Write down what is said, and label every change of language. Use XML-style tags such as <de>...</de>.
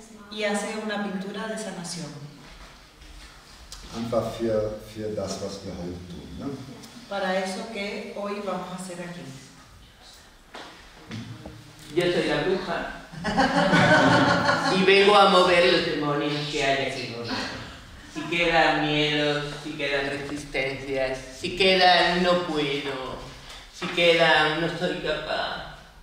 <es>Y hace una pintura de sanación.</es> <de>Einfach für das, was wir heute tun, ne?</de> <es>Para eso que hoy vamos a hacer aquí. Yo soy la bruja. Y vengo a mover los demonios que hay aquí. Si quedan miedos, si quedan resistencias, si quedan no puedo, si quedan no soy capaz.</es>